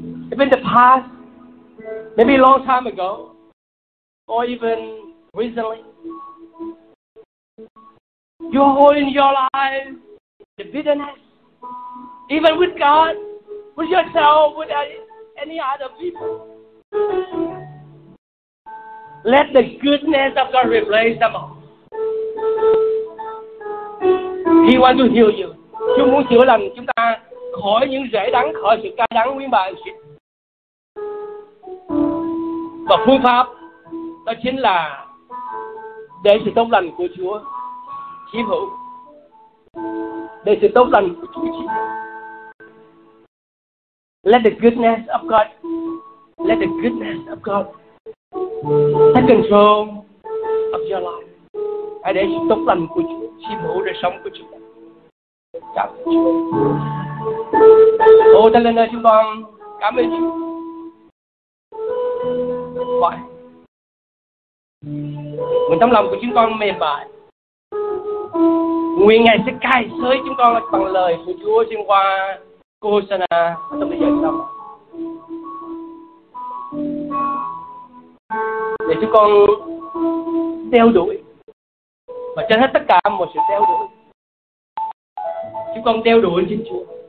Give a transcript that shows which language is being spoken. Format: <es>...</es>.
<en>If in the past, maybe a long time ago, or even recently, you hold in your life the bitterness, even with God, with yourself, with any other people, let the goodness of God replace them all. He wants to heal you.</en> <vi>Chúa muốn chữa lành chúng ta khỏi những rễ đắng, khỏi sự cay đắng nguyên bản. Và phương pháp đó chính là để sự tốt lành của Chúa chiếm hữu, để sự tốt lành của Chúa chiếm hữu.</vi> <en>Let the goodness of God, let the goodness of God take control of your life.</en> <vi>Hãy để sự tốt lành của Chúa chiếm hữu đời sống của chúng ta. Cảm ơn Chúa. Ô thân linh ơi, chúng con cảm ơn Chúa. Vậy mình tấm lòng của chúng con mềm mại, nguyện Ngài sẽ cai xới chúng con bằng lời của Chúa xuyên qua cô Sana trong thời gian sau, để chúng con đeo đuổi, và trên hết tất cả một sự đeo đuổi, chúng con đeo đuổi trên Chúa.</vi>